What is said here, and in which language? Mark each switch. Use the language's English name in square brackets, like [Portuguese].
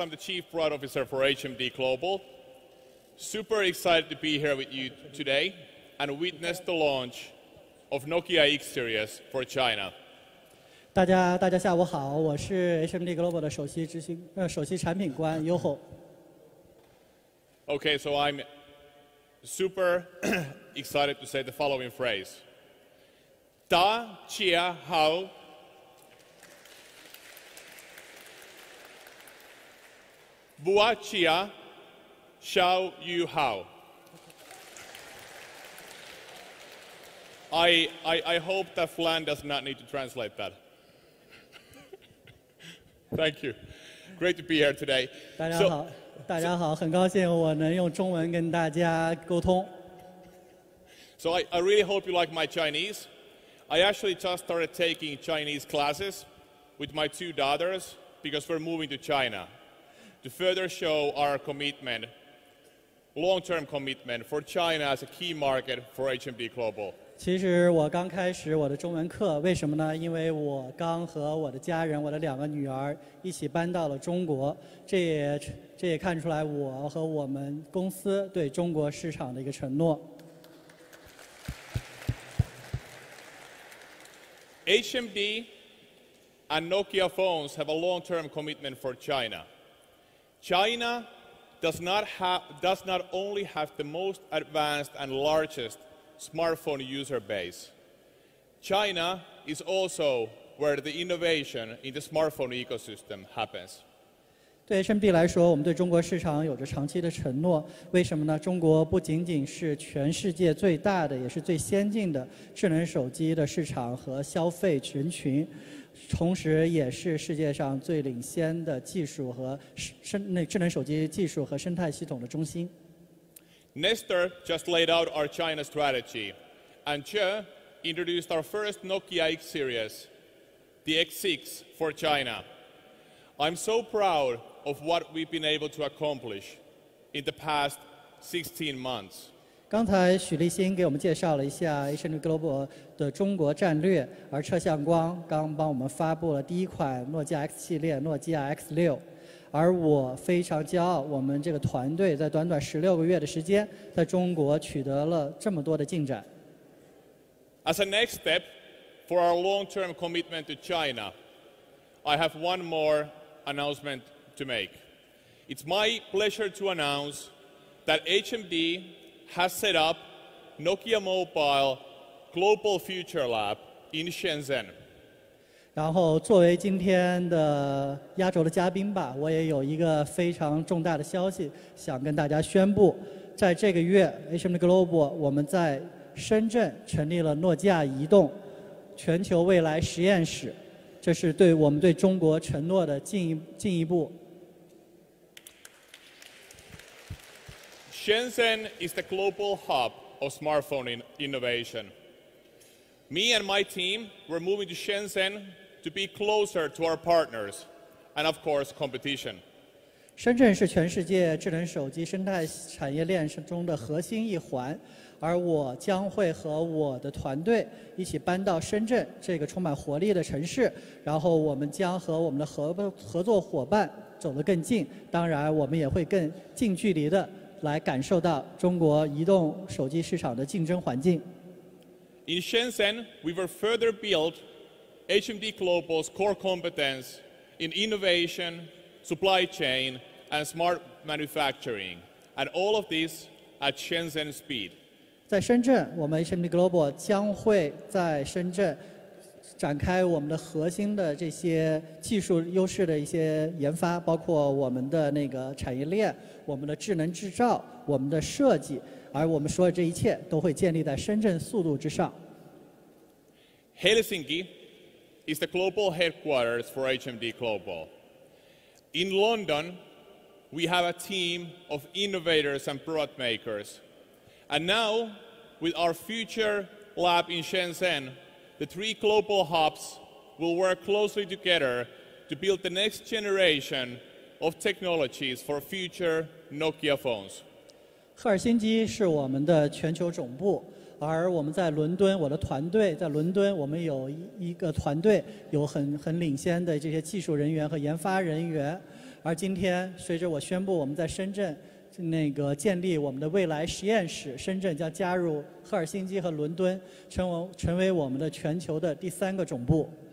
[English] I'm the Chief Product Officer for HMD Global. Super excited to be here with you today and witness the launch of Nokia X Series for China. [Chinese] 大家下午好，我是 HMD Global 的首席产品官 Yoho. [English] Okay, so I'm super excited to say the following phrase. Da qia hao. Bua qia. Show you how. I hope that Flan does not need to translate that. Thank you. Great to be here today. [Chinese] 大家好，大家好，很高兴我能用中文跟大家沟通。 [English] So I really hope you like my Chinese. I actually just started taking Chinese classes with my two daughters because we're moving to China to further show our commitment. Long-term commitment for China as a key market for HMD Global. [Chinese] 其实我刚开始我的中文课，为什么呢？因为我刚和我的家人，我的两个女儿一起搬到了中国，这也看出来我和我们公司对中国市场的一个承诺。 [English] HMD and Nokia phones have a long-term commitment for China. China. Does not only have the most advanced and largest smartphone user base. China is also where the innovation in the smartphone ecosystem happens. [Chinese] 对 HMD 来说，我们对中国市场有着长期的承诺。为什么呢？中国不仅仅是全世界最大的，也是最先进的智能手机的市场和消费人群。同时也是世界上最领先的技术和智能手机技术和生态系统的中心。 [English] Nestor just laid out our China strategy, and Che introduced our first Nokia X series, the X6 for China. I'm so proud of what we've been able to accomplish in the past 16 months. [Chinese] 刚才许立新给我们介绍了一下 HMD Global 的中国战略，而车向光刚帮我们发布了第一款诺基亚 X 系列，诺基亚 X6。而我非常骄傲，我们这个团队在短短16个月的时间，在中国取得了这么多的进展。 [English] As a next step for our long-term commitment to China, I have one more announcement to make. It's my pleasure to announce that HMD has set up Nokia Mobile Global Future Lab in Shenzhen. [Chinese] 然后作为今天的压轴的嘉宾吧，我也有一个非常重大的消息想跟大家宣布。在这个月 HMD Global 我们在深圳成立了诺基亚移动全球未来实验室，这是对我们对中国承诺的进一步。 [English] Shenzhen is the global hub of smartphone innovation. Me and my team were moving to Shenzhen to be closer to our partners and of course competition. [Chinese] 深圳是全世界智能手机生态产业链中的核心一环，而我将会和我的团队一起搬到深圳这个充满活力的城市，然后我们将和我们的合作伙伴走得更近，当然我们也会更近距离地来感受到中国移动手机市场的竞争环境。 [English] In Shenzhen, we will further build HMD Global's core competence in innovation, supply chain, and smart manufacturing, and all of this at Shenzhen speed. [Chinese] 在深圳，我们 HMD Global 将会在深圳展开我们的核心的这些技术优势的一些研发，包括我们的那个产业链、我们的智能制造、我们的设计。而我们说的这一切都会建立在深圳速度之上。 [English] Helsinki is the global headquarters for HMD Global. In London, we have a team of innovators and product makers. And now, with our future lab in Shenzhen, the three global hubs will work closely together to build the next generation of technologies for future Nokia phones. [Chinese] 赫尔辛基是我们的全球总部，而我们在伦敦，我的团队在伦敦，我们有一个团队，有很领先的这些技术人员和研发人员。而今天，随着我宣布我们在深圳那个建立我们的未来实验室，深圳将加入赫尔辛基和伦敦，成为我们的全球的第三个总部。